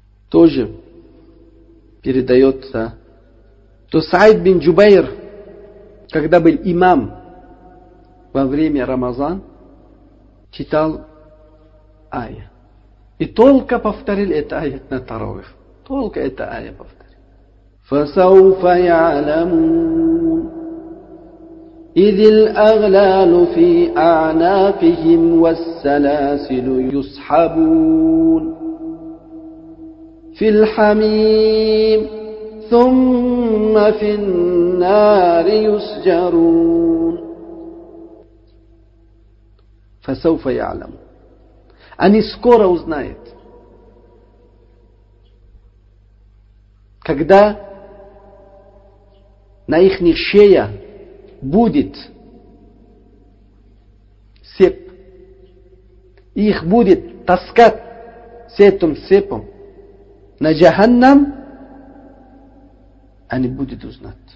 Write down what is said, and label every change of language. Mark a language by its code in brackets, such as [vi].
[ru] Тоже передается, то Саид бин Джубайр, когда был имам во время Рамазан, читал ая. И только повторил это аят на таравих. Только это ая повторил. [ar] Фасауфа яламун, إِذِ الْأَغْلَالُ فِي أَعْنَاقِهِمْ وَالسَّلَاسِلُ يُسْحَبُونَ فِي الْحَمِيمِ ثُمَّ فِي النَّارِ يُسْجَرُونَ فَسَوْفَ يَعْلَمُ. [ru] Они скоро узнают, когда на их шея будет сеп. Их будет таскать с этим сепом на джаханнам, они будут узнать.